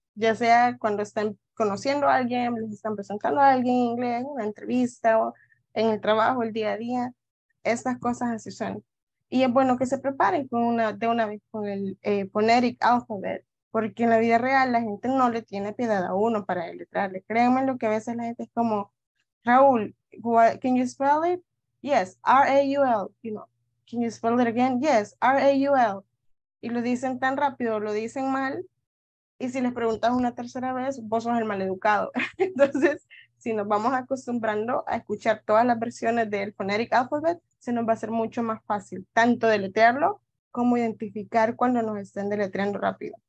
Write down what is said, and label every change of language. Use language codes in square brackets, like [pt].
[es] Ya sea cuando estén conociendo a alguien, les están presentando a alguien en inglés, en una entrevista, o en el trabajo, el día a día, estas cosas así son. Y es bueno que se preparen con una, de una vez con el phonetic alphabet, porque en la vida real la gente no le tiene piedad a uno para deletrearle. Créanme lo que a veces la gente es como, Raúl, [en] can you spell it? Yes, R-A-U-L, you know, can you spell it again? Yes, R-A-U-L. [es] Y lo dicen tan rápido, lo dicen mal, y si les preguntas una tercera vez, vos sos el maleducado. Entonces, si nos vamos acostumbrando a escuchar todas las versiones del phonetic alphabet, se nos va a hacer mucho más fácil, tanto deletrearlo, como identificar cuando nos estén deletreando rápido.